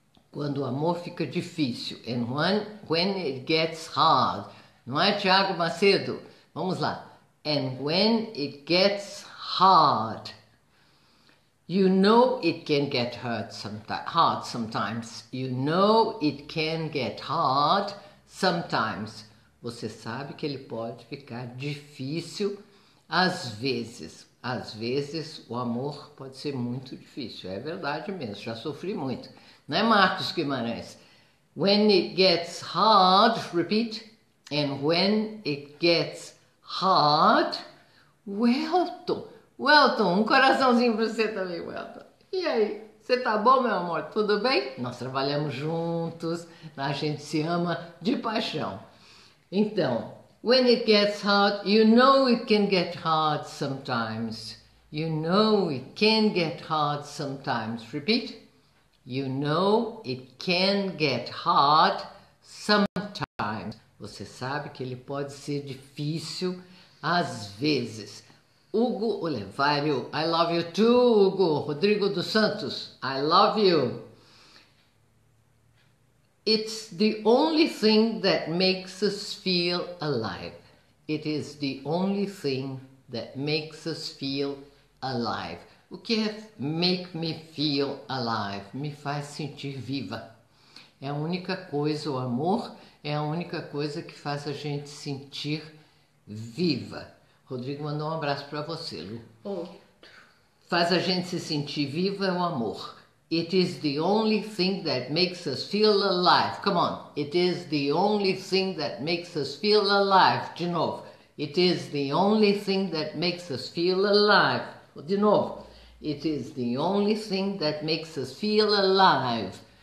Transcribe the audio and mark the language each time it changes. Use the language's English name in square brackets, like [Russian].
[Portuguese] Quando o amor fica difícil. [English] And when it gets hard. [Portuguese] Não é, Thiago Macedo? Vamos lá. [English] And when it gets hard, you know it can get hard sometimes. You know it can get hard sometimes. [Portuguese] Você sabe que ele pode ficar difícil às vezes. Às vezes o amor pode ser muito difícil. É verdade mesmo, já sofri muito. [English] Né, Marcos Guimarães? When it gets hard, repeat. And when it gets hard, Welton, [Portuguese] um coraçãozinho pra você também, [English] Welton. [Portuguese] E aí, você tá bom, meu amor? Tudo bem? Nós trabalhamos juntos, a gente se ama de paixão. [English] Então, when it gets hard, you know it can get hard sometimes. You know it can get hard sometimes. Repeat. You know it can get hard sometimes. [Portuguese] Você sabe que ele pode ser difícil às vezes. [English] Hugo Olevário, I love you too, Hugo. Rodrigo dos Santos, I love you. It's the only thing that makes us feel alive. It is the only thing that makes us feel alive. [Portuguese] O que é [English] make me feel alive? [Portuguese] Me faz sentir viva. É a única coisa, o amor é a única coisa que faz a gente sentir viva. Rodrigo mandou um abraço para você, Lu. Outro. Faz a gente se sentir viva é o amor. [English] It is the only thing that makes us feel alive. Come on. It is the only thing that makes us feel alive. [Portuguese] De novo. [English] It is the only thing that makes us feel alive. [Portuguese] De novo. [English] It is the only thing that makes us feel alive.